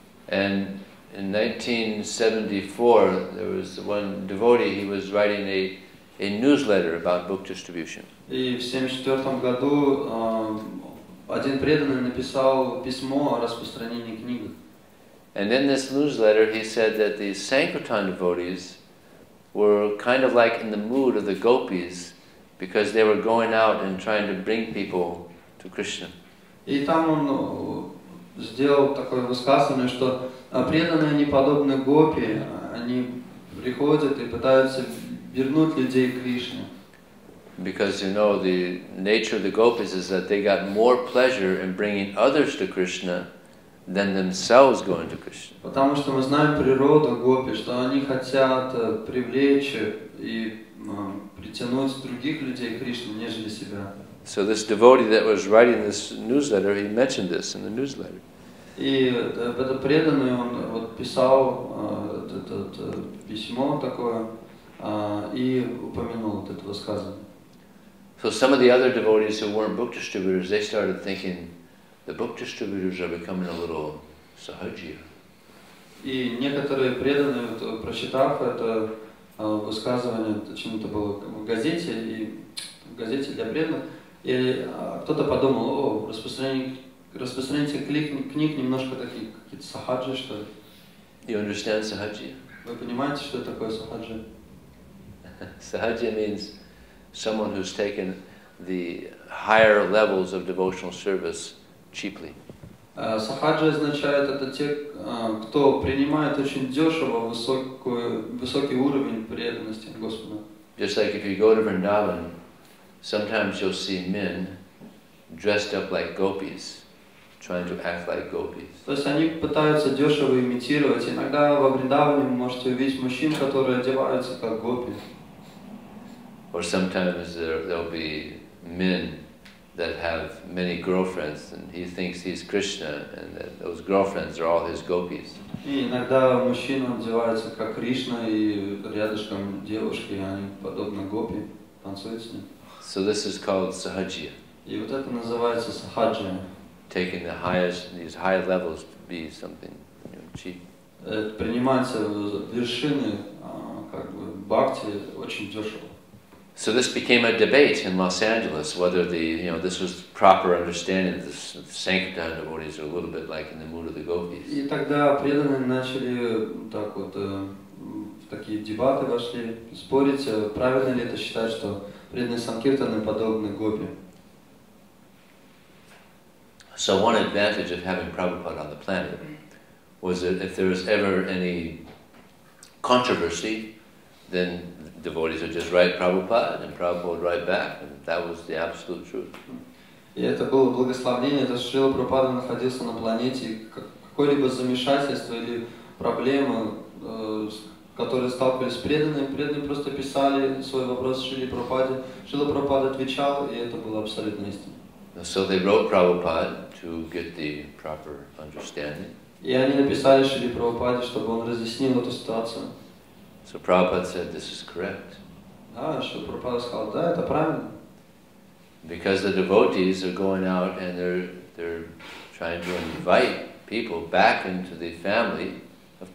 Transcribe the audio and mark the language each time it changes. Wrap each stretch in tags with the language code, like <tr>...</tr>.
<en>And in 1974, there was one devotee. He was writing a newsletter about book distribution.</en> <ru>И в 74 году один преданный написал письмо о распространении книг.</ru> <en>And in this newsletter, he said that the Sankirtan devotees were kind of like in the mood of the gopis. Because they were going out and trying to bring people to Krishna.</en> <ru>И там он сделал такое высказывание, что преданные не подобны гопи, они приходят и пытаются вернуть людей к Кришне.</ru> <en>Because you know the nature of the gopis is that they got more pleasure in bringing others to Krishna than themselves going to Krishna.</en> <ru>Потому что мы знаем природу гопи, что они хотят привлечь и притянуть других людей к Кришне, нежели себя.</ru> <en>So this devotee that was writing this newsletter, he mentioned this in the newsletter.</en> <ru>И этот преданный, он вот писал этот письмо такое, и упомянул вот это высказывание.</ru> <en>So some of the other devotees who weren't book distributors, they started thinking the book distributors are becoming a little sahajiya.</en> <ru>И некоторые преданные, вот, прочитав это высказывание, почему-то было в газете, и в газете для преданных, и кто-то подумал, о, распространение книг немножко такие, какие-то сахаджи, что ли.</ru> <en>You understand sahajiya?</en> <ru>Вы понимаете, что такое сахаджи?</ru> <en>Sahajiya means someone who's taken the higher levels of devotional service cheaply.</en> <ru>Сахаджа означает это те, кто принимает очень дешево высокий уровень преданности Господу.</ru> <en>Just like if you go to Vrindavan, sometimes you'll see men dressed up like gopis, trying to act like gopis.</en> <ru>То есть они пытаются дешево имитировать. Иногда во Вриндаване вы можете увидеть мужчин, которые одеваются как гопи.</ru> <en>Or sometimes there'll be men that have many girlfriends, and he thinks he's Krishna, and that those girlfriends are all his gopis.</en> <ru>И иногда мужчина одевается как Кришна, и рядышком девушки, они подобно гопи танцуют с ним.</ru> <en>So this is called sahajiya.</en> <ru>И вот это называется сахаджа.</ru> <en>Taking the highest, these high levels to be something, you know, cheap.</en> <ru>Принимается вершины как бы бхакти очень дешево.</ru> <en>So this became a debate in Los Angeles whether the, you know, this was proper understanding of the sankirtan devotees are a little bit like in the mood of the gopis.</en> <ru>И тогда преданные начали так вот в такие дебаты вошли, спорить, правильно ли это считать, что преданные санкиртаны подобны гопи.</ru> <en>So one advantage of having Prabhupada on the planet was that if there was ever any controversy, then devotees would just write Prabhupada, and Prabhupada would write back, and that was the absolute truth.</en> <ru>И это было благословение, то что Прабхупада находился на планете, какое-либо замешательство или проблема, с которой сталкивались преданные, преданные просто писали свой вопрос Шрила Прабхупаде, Шрила Прабхупада отвечал, и это было абсолютно истинно.</ru> <en>So they wrote Prabhupada to get the proper understanding.</en> <ru>И они написали Шрила Прабхупаде, чтобы он разъяснил эту ситуацию.</ru> <en>So Prabhupada said, this is correct. Because the devotees are going out and they're trying to invite people back into the family of</en>